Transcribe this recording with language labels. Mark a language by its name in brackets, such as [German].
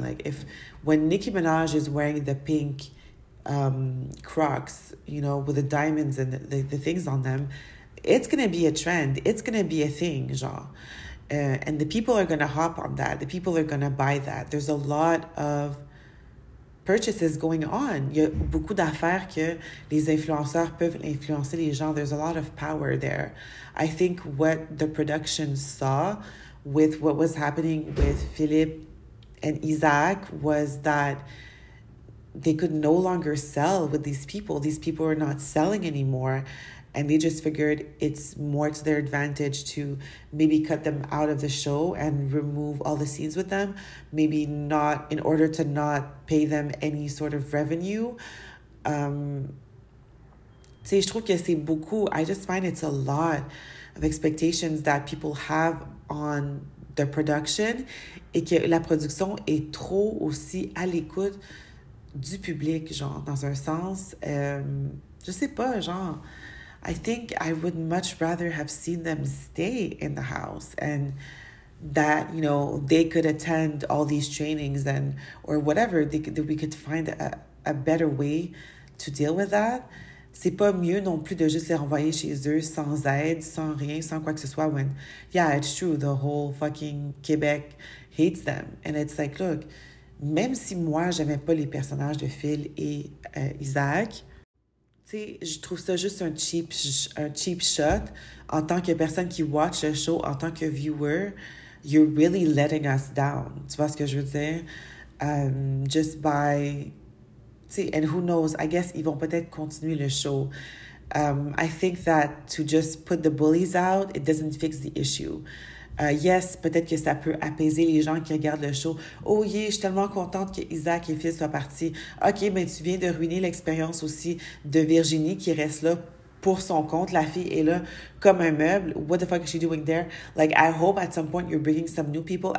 [English] Like, if when Nicki Minaj is wearing the pink Crocs, you know, with the diamonds and the things on them, it's going to be a trend. It's going to be a thing, genre. And the people are going to hop on that. The people are going to buy that. There's a lot of purchases going on. [French] Il y a beaucoup d'affaires que les influenceurs peuvent influencer les gens. [English] There's a lot of power there. I think what the production saw with what was happening with Philippe and Isaac was that they could no longer sell with these people. These people are not selling anymore. And they just figured it's more to their advantage to maybe cut them out of the show and remove all the scenes with them, maybe not in order to not pay them any sort of revenue. [French] Tu sais, je trouve que c'est beaucoup. [English] I just find it's a lot of expectations that people have on the production [French] et que la production est trop aussi à l'écoute du public, genre, dans un sens, je sais pas, genre, [English] I think I would much rather have seen them stay in the house and that, you know, they could attend all these trainings and, or whatever, they, that we could find a better way to deal with that. [French] C'est pas mieux non plus de juste les renvoyer chez eux sans aide, sans rien, sans quoi que ce soit. [English] When, yeah, it's true, the whole fucking Québec hates them. And it's like, look, [French] même si moi, j'aimais pas les personnages de Phil et Isaac, tu sais, je trouve ça juste un cheap shot. En tant que personne qui watch le show, en tant que viewer, [English] you're really letting us down. [French] Tu vois ce que je veux dire? [English] Just by... See, and who knows, I guess [French] ils vont peut-être continuer le show. [English] I think that to just put the bullies out, it doesn't fix the issue. [French] Yes, peut-être que ça peut apaiser les gens qui regardent le show. [English] Oh yeah, [French] je suis tellement contente que Isaac et Phil soient partis. OK, mais tu viens de ruiner l'expérience aussi de Virginie qui reste là pour son compte. La fille est là comme un meuble. [English] What the fuck is she doing there? Like, I hope at some point you're bringing some new people.